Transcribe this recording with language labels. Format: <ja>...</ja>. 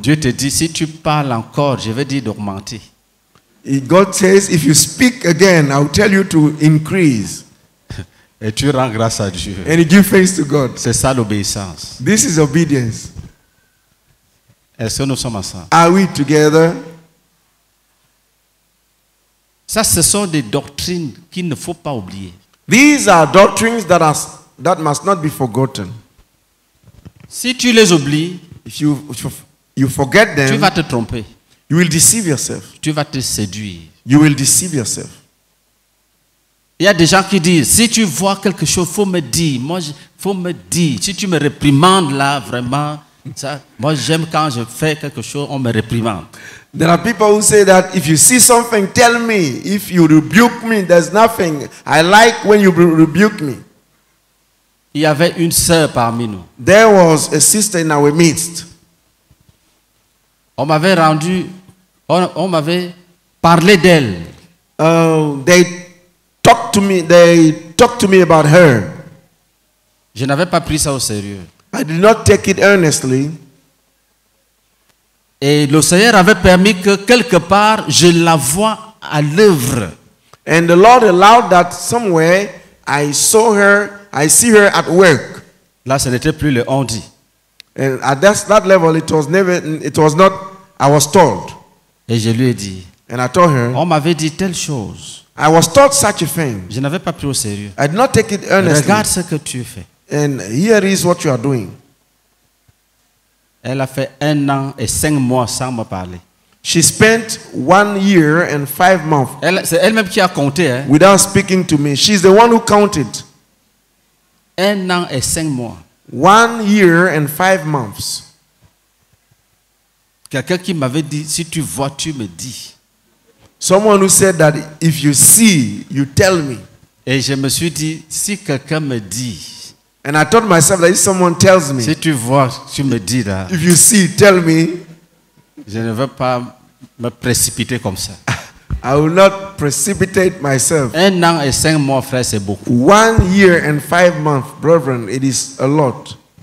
<fr>Dieu te dit si tu parles encore, je vais dire d'augmenter.</fr> <en>God says, if you speak again, I'll tell you to increase.</en> <fr>Et tu rends grâce à Dieu.</fr> <en>And you give thanks to God.</en> <fr>C'est ça l'obéissance.</fr> <en>This is obedience.</en> <fr>Est-ce que nous sommes ensemble?</fr> <en>Are we together?</en> <fr>Ça, ce sont des doctrines qu'il ne faut pas oublier.</fr> <en>These are doctrines that must not be forgotten.</en> <fr>Si tu les oublies,</fr> <en>if you forget them,</en> <fr>tu vas te tromper.</fr> <en>You will deceive yourself.</en> <fr>Tu vas te séduire.</fr> <en>You will deceive yourself.</en> <fr>Il y a des gens qui disent, si tu vois quelque chose, faut me dire. Moi, faut me dire. Si tu me réprimandes là, vraiment, ça. Moi, j'aime quand je fais quelque chose, on me réprimande.</fr> <en>There are people who say that if you see something, tell me. If you rebuke me, there's nothing. I like when you rebuke me.</en> <fr>Il y avait une sœur parmi nous.</fr> <en>There was a sister in our midst.</en> <fr>On m'avait parlé d'elle.</fr> <en>They talked to me about her.</en> <fr>Je n'avais pas pris ça au sérieux.</fr> <en>I did not take it earnestly.</en> <fr>Et le Seigneur avait permis que quelque part je la vois à l'œuvre.</fr> <en>And the Lord allowed that somewhere I saw her, I see her at work.</en> <fr>Là, ce n'était plus le on dit.</fr> <en>And at that level, it was not. I was told.</en> <fr>Et je lui ai dit.</fr> <en>And I told her.</en> <fr>On m'avait dit telle chose.</fr> <en>I was told such a thing.</en> <fr>Je n'avais pas pris au sérieux.</fr> <en>I did not take it earnestly.</en> <fr>Regarde ce que tu fais.</fr> <en>And here is what you are doing.</en> <fr>Elle a fait 1 an et 5 mois sans me parler.</fr> <en>She spent 1 year and 5 months.</en> <fr>Elle, c'est elle-même qui a compté, hein?</fr> <en>Without speaking to me. She's the one who counted.</en> <fr>Un an et cinq mois.</fr> <en>1 year and 5 months.</en> <fr>Quelqu'un qui m'avait dit, si tu vois, tu me dis.</fr> <en>Someone who said that if you see, you tell me.</en> <fr>Et je me suis dit, si quelqu'un me dit.</fr> <en>And I told myself that if someone tells me.</en> <fr>Si tu vois, tu me dis là.</fr> <en>If you see, tell me.</en> <fr>Je ne veux pas me précipiter comme ça.</fr> <en>I will not precipitate myself.</en> <fr>Un an et cinq mois, frère, c'est beaucoup.</fr> <en>1 year and 5 months, brethren, it is a lot.</en>